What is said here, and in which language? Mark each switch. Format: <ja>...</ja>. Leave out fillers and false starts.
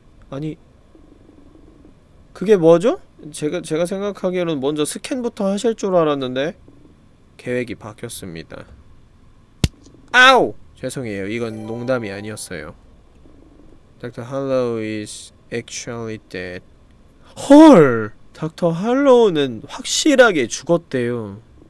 <ko>아니, 그게 뭐죠? 제가 생각하기에는 먼저 스캔부터 하실 줄 알았는데 계획이 바뀌었습니다. 아우! 죄송해요. 이건 농담이 아니었어요.</ko> <en>Dr. Harlow is actually dead.</en> <ko>헐! Dr. Harlow는 확실하게 죽었대요.</ko>